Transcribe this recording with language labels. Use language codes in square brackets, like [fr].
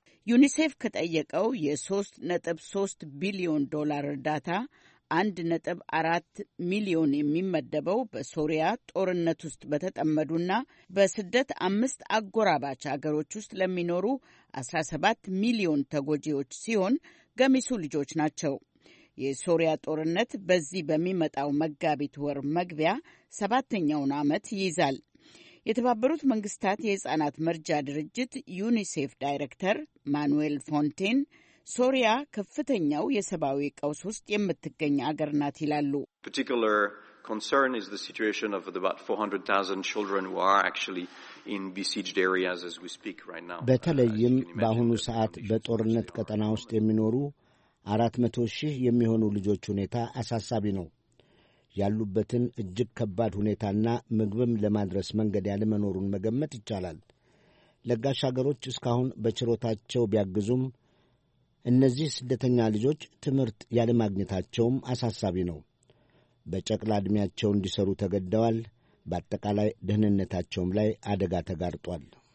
[am] ዩኒሴፍ ከጠየቀው የ3.3 ቢሊዮን ዶላር እርዳታ 1.4 ሚሊዮን የሚመደበው በሶሪያ ጦርነት ውስጥ በተጠመዱና በስደት 5 አጎራባች አገሮች ውስጥ ለሚኖሩ 17 ሚሊዮን ተጎጂዎች ሲሆን ገሚሱ ልጆች ናቸው። የሶሪያ ጦርነት በዚህ በሚመጣው መጋቢት ወር መግቢያ 7ኛውን ዓመት ይይዛል። የተባበሩት መንግስታት የህፃናት መርጃ ድርጅት ዩኒሴፍ ዳይሬክተር ማኑኤል ፎንቴን ሶሪያ ከፍተኛው የሰብአዊ ቀውስ ውስጥ የምትገኝ አገር ናት ይላሉ። [en] particular concern is the situation of the about 400,000 children who are actually in besieged areas as we speak right now. [am] በተለይም በአሁኑ ሰዓት በጦርነት ቀጠና ውስጥ የሚኖሩ 400,000 የሚሆኑ ልጆች ሁኔታ አሳሳቢ ነው። ያሉበትን እጅግ ከባድ ሁኔታና ምግብም ለማድረስ መንገድ ያለመኖሩን መገመት ይቻላል። ለጋሽ አገሮች እስካሁን በችሮታቸው ቢያግዙም እነዚህ ስደተኛ ልጆች ትምርት ያለማግኘታቸውም አሳሳቢ ነው። በጨቅላ አድሚያቸው እንዲሰሩ ተገደዋል። በአጠቃላይ ደህንነታቸውም ላይ አደጋ ተጋርጧል።